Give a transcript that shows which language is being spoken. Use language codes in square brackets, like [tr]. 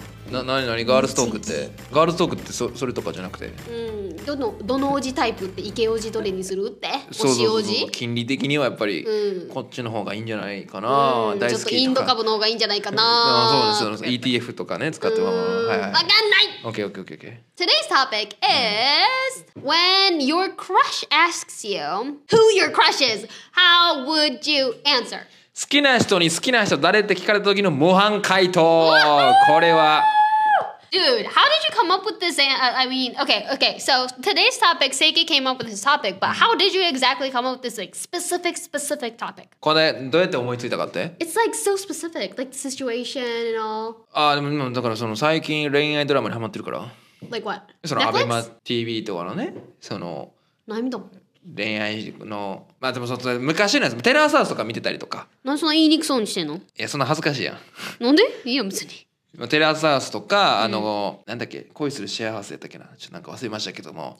[ja] 何ガールストークって、ガールストークって それとかじゃなくて。うん、どのおじタイプって、イケおじどれにするって、そうそうそうおじ金利的にはやっぱり、こっちの方がいいんじゃないかな、大好きとか。ちょっとインド株の方がいいんじゃないかな。そうです、ETF とかね、使ってもはい、はい。わかんない [en] !OK。 Today's topic is、when your crush asks you who your crush is, how would you answer? [ja] 好きな人に好きな人誰って聞かれた時の模範回答これは [en] Dude, how did you come up with this? I mean, okay. So today's topic, Seiki came up with this topic, but how did you exactly come up with this like, specific topic? [ja] これどうやって思いついたかって [en] It's like so specific, like the situation and all. [ja] でもだからその最近恋愛ドラマにハマってるから [en] Like what? [ja] その Netflix? ABEMA TV とかのねその何見たの恋愛のまあでもその昔のやつテラーサウスとか見てたりとか何そんな言いにくそうにしてんのいやそんな恥ずかしいやんなんでいいや別にテラーサウスとか、うん、なんだっけ恋するシェアハウスやったっけなちょっとなんか忘れましたけども